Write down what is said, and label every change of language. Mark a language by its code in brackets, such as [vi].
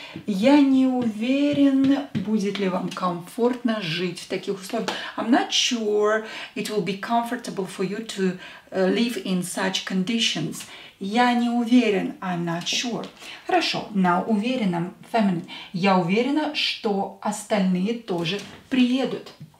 [ru] Я не уверен, будет ли вам комфортно жить в таких условиях. [en] I'm not sure it will be comfortable for you to live in such conditions. [ru] Я не уверен. [en] I'm not sure. [ru] Хорошо. На уверенном feminine. Я уверена, что остальные тоже приедут.